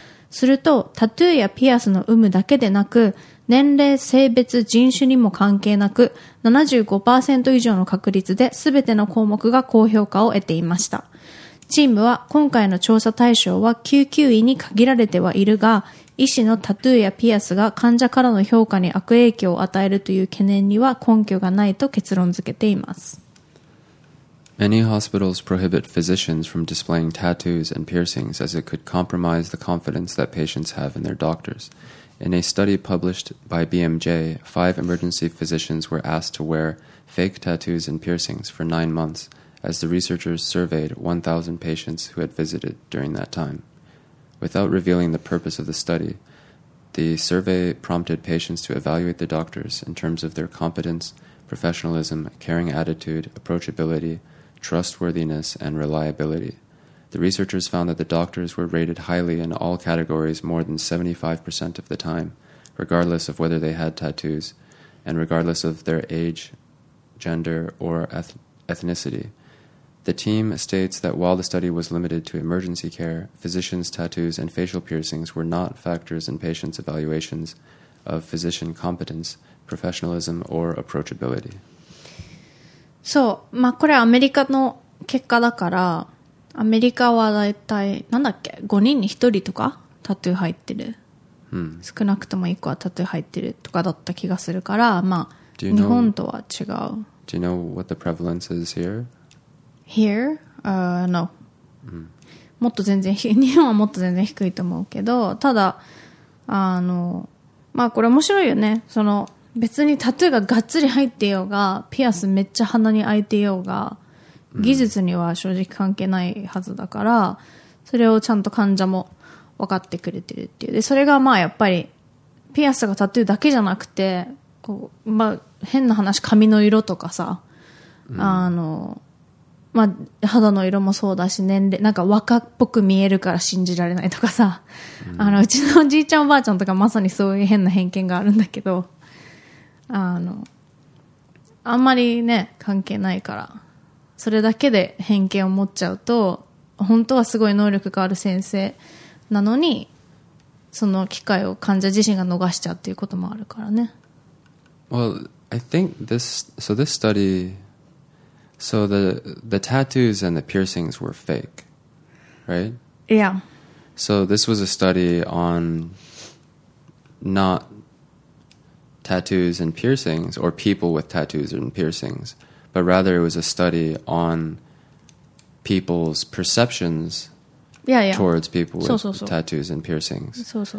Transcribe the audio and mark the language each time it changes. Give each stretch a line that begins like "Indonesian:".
Japanese: すると、タトゥーやピアスの有無だけでなく、年齢、性別、人種にも関係なく 75% 以上の確率で全ての項目が高評価を得ていました。チームは今回の調査対象は救急医に限られてはいるが、医師のタトゥーやピアスが患者からの評価に悪影響を与えるという懸念には根拠がないと結論付けています。
English: Many hospitals prohibit physicians from displaying tattoos and piercings as it could compromise the confidence that patients have in their doctors. In a study published by BMJ, 5 emergency physicians were asked to wear fake tattoos and piercings for 9 months as the researchers surveyed 1,000 patients who had visited during that time. Without revealing the purpose of the study, the survey prompted patients to evaluate the doctors in terms of their competence, professionalism, caring attitude, approachability, trustworthiness, and reliability. The researchers found that the doctors were rated highly in all categories more than 75% of the time, regardless of whether they had tattoos, and regardless of their age, gender, or ethnicity. The team states that while the study was limited to emergency care, physicians' tattoos and facial piercings were not factors in patients' evaluations of physician competence, professionalism, or approachability.
Japanese: So, まあこれアメリカの結果だから、アメリカはだいたいなんだっけ、5人に1人とかタトゥー入ってる。少なくとも1個はタトゥー入ってるとかだった気がするから、まあ日本とは違う。
English: Do you know what the prevalence is here? No.
Japanese: もっと全然日本はもっと全然低いと思うけど、ただあのまあこれ面白いよね。その別にタトゥーががっつり入ってようが、ピアスめっちゃ鼻に開いてようが、技術には正直関係ないはずだから、それをちゃんと患者も分かってくれてるっていう。で、それがまあやっぱりピアスがタトゥーだけじゃなくて、こうまあ変な話髪の色とかさ、あの。まあ、肌の色もそうだし、年齢なんか若っぽく見えるから信じられないとかさ、あのうちのおじいちゃんおばあちゃんとかまさにそういう変な偏見があるんだけど、あのあんまりね関係ないから、それだけで偏見を持っちゃうと、本当はすごい能力がある先生なのに、その機会を患者自身が逃しちゃうっていうこともあるからね。
English: Well, I think this, so this studySo the tattoos and the piercings were fake, right? Yeah. So this was a study on not tattoos and piercings or people with tattoos and piercings, but rather it was a study on people's perceptions towards people with tattoos and piercings.